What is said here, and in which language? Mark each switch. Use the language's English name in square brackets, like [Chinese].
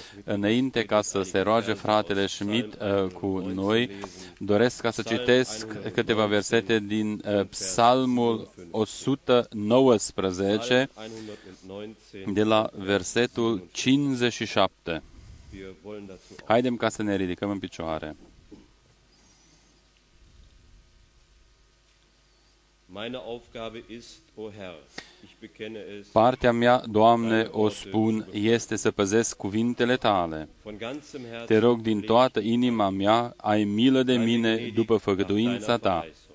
[Romanian] Înainte ca să se roage fratele Schmidt cu noi, doresc ca să citesc câteva versete din Psalmul 119, de la versetul 57. Haidem ca să ne ridicăm în picioare. [German] Meine Aufgabe ist, o Herr, ich bekenne es. [Romanian] Partea mea, Doamne, o spun, este să păzesc cuvintele tale. Te rog din toată inima mea, ai milă de mine după făgăduința ta.